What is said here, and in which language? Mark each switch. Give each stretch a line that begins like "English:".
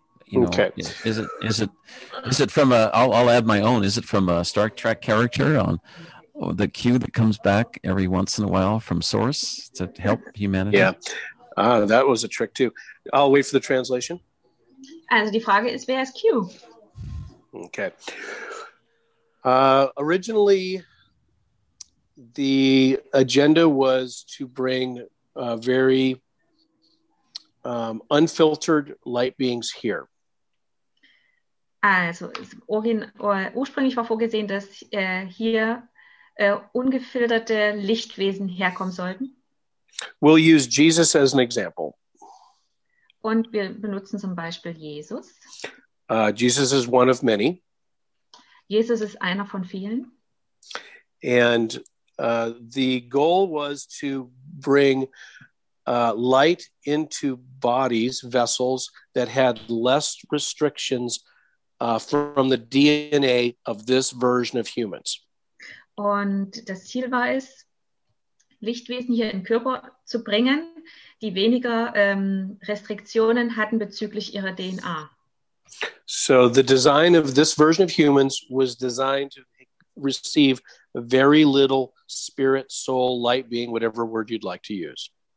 English: you know, okay. is it from a, I'll add my own. Is it from a Star Trek character on the Q that comes back every once in a while from Source to help humanity? Yeah, that was a trick too. I'll wait for the translation.
German: Also die Frage ist, wer ist Q?
English: Okay. Originally, the agenda was to bring very unfiltered light beings here.
German: Also, ursprünglich war vorgesehen, dass hier ungefilterte Lichtwesen herkommen sollten.
English: We'll use Jesus as an example.
German: Und wir benutzen zum Beispiel Jesus.
English: Jesus is one of many.
German: Jesus ist einer von vielen.
English: And the goal was to bring light into bodies, vessels that had less restrictions from the DNA of this version of humans.
German: Und das Ziel war es, Lichtwesen hier in Körper zu bringen, die weniger Restriktionen hatten bezüglich ihrer DNA.
English: So the design of this version of humans was designed to receive very little spirit, soul, light being, whatever word you'd like to use.